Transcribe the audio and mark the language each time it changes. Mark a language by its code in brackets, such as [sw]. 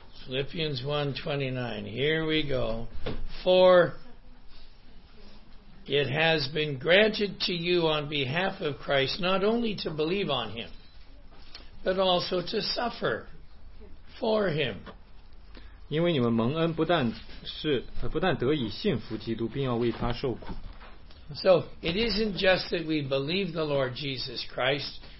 [en] 1:29. Here we go. For it has been granted to you on behalf of Christ not only to believe on him, but also to suffer for him. [zh] 因为你们蒙恩不但得以信服基督，并要为他受苦。 [en] So it isn't just that we believe the Lord Jesus Christ.